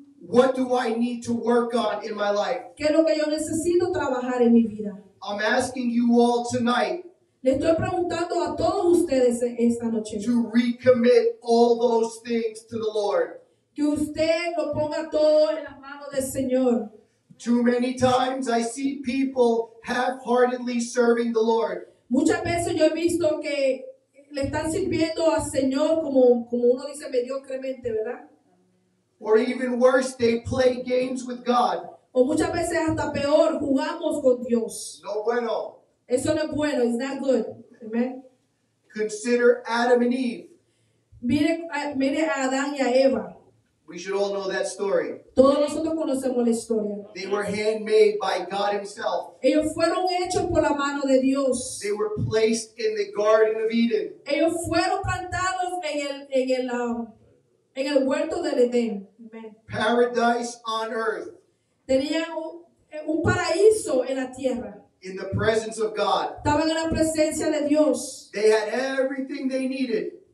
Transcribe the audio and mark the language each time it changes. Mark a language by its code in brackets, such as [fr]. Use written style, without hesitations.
[en] What do I need to work on in my life? [es] ¿Qué es lo que yo necesito trabajar en mi vida? [en] I'm asking you all tonight. [es] Le estoy preguntando a todos ustedes esta noche. [en] To recommit all those things to the Lord. [es] Que usted lo ponga todo en las manos del Señor. [en] Too many times I see people half-heartedly serving the Lord. [es] Muchas veces yo he visto que le están sirviendo al Señor como uno dice mediocremente, ¿verdad? [en] Or even worse, they play games with God. [es] O muchas veces hasta peor, jugamos con Dios. No bueno. Eso no es bueno. [en] It's not good. [es] Amen. [en] Consider Adam and Eve. [es] Mire a Adán y a Eva. [en] We should all know that story. [es] Todos nosotros conocemos la historia. [en] They were handmade by God Himself. [es] Ellos fueron hechos por la mano de Dios. [en] They were placed in the Garden of Eden. [es] Ellos fueron plantados en el huerto del Edén. [en] Amen. Paradise on earth. [es] Tenían un paraíso en la tierra. [en] In the presence of God. [es] Estaban en la presencia de Dios. [en] They had everything they needed.